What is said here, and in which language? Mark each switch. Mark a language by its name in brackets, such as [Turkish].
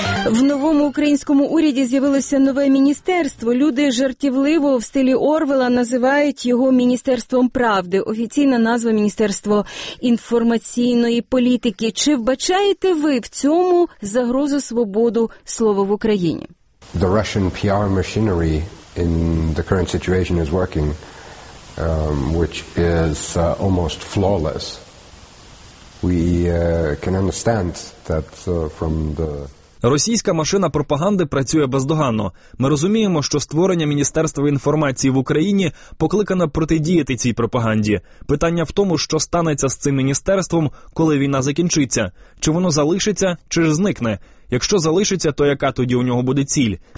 [Ukrainian] В новому українському уряді з'явилося нове міністерство. Люди жартівливо в стилі Орвела називають його Міністерством правди. Офіційна назва – Міністерство інформаційної політики. Чи вбачаєте ви в цьому загрозу свободу слова в Україні? [English] The Russian PR machinery in the current situation is working, which is almost flawless. We can understand that from the... [Ukrainian] Російська машина пропаганди працює бездоганно. Ми розуміємо, що створення Міністерства інформації в Україні покликано протидіяти цій пропаганді. Питання в тому, що станеться з цим міністерством, коли війна закінчиться. Чи воно залишиться, чи ж зникне? Якщо залишиться, то яка тоді у нього буде ціль?